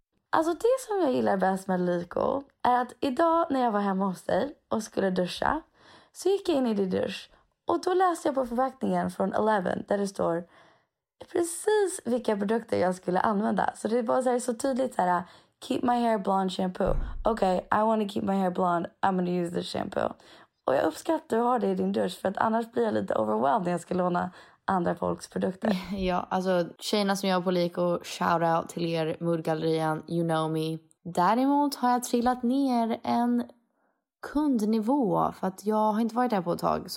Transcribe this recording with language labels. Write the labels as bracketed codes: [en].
[sv] Alltså det som jag gillar bäst med Liko är att idag när jag var hemma hos dig och skulle duscha, så gick jag in i din dusch och då läste jag på förpackningen från Eleven där det står precis vilka produkter jag skulle använda. Så det var så tydligt såhär, [en] keep my hair blonde shampoo. Okay, I want to keep my hair blonde, I'm gonna use this shampoo. [sv] Och jag uppskattar att du har det i din dusch, för att annars blir jag lite [en] overwhelmed [sv] när jag ska låna andra folks produkter. Ja, alltså tjejerna som jag på Liko, [en] shout out [sv] till er, Moodgallerian, [en] you know me. [sv] Däremot har jag trillat ner en kundnivå, för att jag har inte varit där på ett tag.